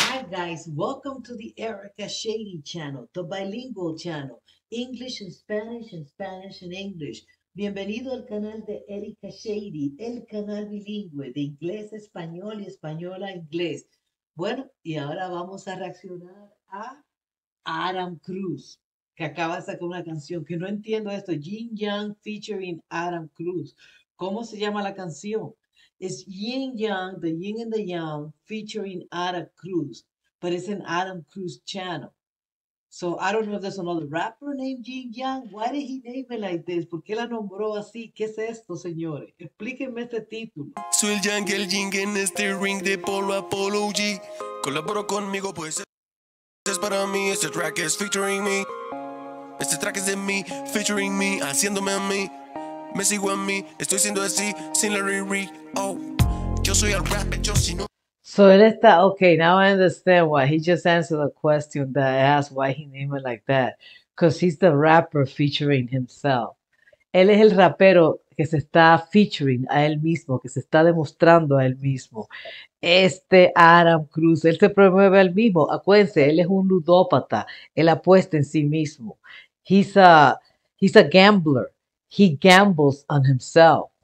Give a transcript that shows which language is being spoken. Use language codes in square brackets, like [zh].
[en] guys, welcome to the Erica Shady channel, the bilingual channel, English and Spanish and English. [es] Bienvenido al canal de Erica Shady, el canal bilingüe de inglés a español y español a inglés. Bueno, y ahora vamos a reaccionar a Adam Cruz, que acaba de sacar una canción que no entiendo esto. Yin Yang featuring Adam Cruz. ¿Cómo se llama la canción? [en] It's Yin Yang, the Yin and the Yang, featuring Adam Cruz, but it's an Adam Cruz channel. So I don't know if there's another rapper named Yin Yang. Why did he name it like this? [es] ¿Por qué la nombró así? ¿Qué es esto, señores? Explíquenme este título. Soy el Yang, el Yin en este ring de Polo Apollo G. Colaboró conmigo, pues es para mí. Este track es featuring me. Este track es de mí, featuring me, haciéndome a mí. Me sigo a mí, estoy siendo así, sin la riri. Oh, yo soy el rap, yo si no. [en] So [es] él está, [en] okay, now I understand why he just answered the question that I asked why he named it like that. Because he's the rapper featuring himself. [es] Él es el rapero que se está featuring a él mismo, que se está demostrando a él mismo. Este Adam Cruz, él se promueve al mismo. Acuérdense, él es un ludópata. Él apuesta en sí mismo. [en] He's a gambler. He gambles on himself.